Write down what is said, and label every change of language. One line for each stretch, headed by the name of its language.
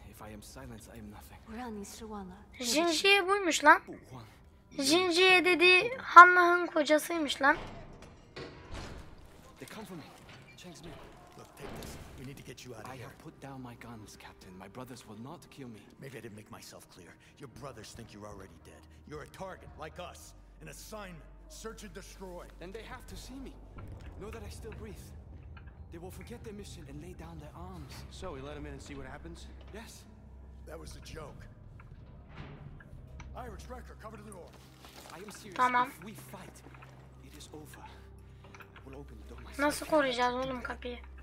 English: If I am silence, I am nothing.
Turkish: Jinji'ye buymuş lan. Jinji'ye dedi, Hannah'ın kocasıymış lan.
English: They come for me. Chang's men. Look, take this. We need to get you out of here. I have put down my guns, Captain. My brothers will not kill me. Maybe I didn't make myself clear. Your brothers think you're already dead. You're a target, like us. An assignment. Search and destroy. Then they have to see me. Know that I still breathe. They will forget their mission and lay down their arms. So we let them in and see what happens? Yes. That was a joke. Irish Wrecker, cover the door. I am serious.
Turkish: Tamam.
English: If we fight, it is over.
Turkish: Nasıl koruyacağız oğlum kapıyı?